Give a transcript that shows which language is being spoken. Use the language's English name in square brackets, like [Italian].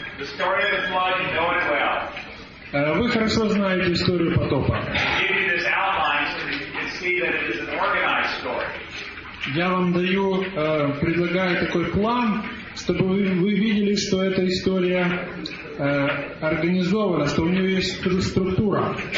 [English] The story of the flood is going well. [Russian] Вы хорошо знаете историю потопа. [English] Give you this outline so that you can see that it is an organized story. [Russian] Я вам даю, предлагаю такой план, чтобы вы видели, что эта история организована, что у нее есть структура.